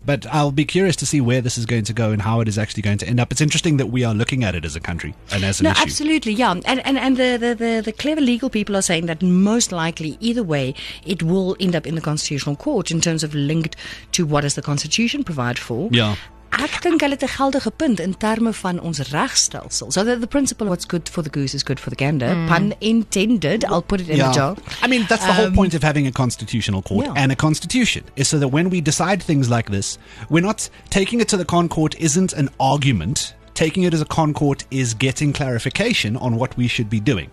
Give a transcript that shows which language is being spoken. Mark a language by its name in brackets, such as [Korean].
[English] But I'll be curious to see where this is going to go and how it is actually going to end up. It's interesting that we are looking at it as a country and as an issue. Absolutely, yeah. And the clever legal people are saying that most likely, either way, it will end up in the Constitutional Court in terms of linked to what does the Constitution provide for. Yeah. [Afrikaans] Ek dink hulle het 'n geldige punt in terme van ons regstelsel. [English] So the principle of what's good for the goose is good for the gander. Mm. Pun intended, I'll put it in the jar. I mean, that's the whole point of having a constitutional court and a constitution, is so that when we decide things like this, we're not taking it to the Con Court isn't an argument. Taking it as a Con Court is getting clarification on what we should be doing.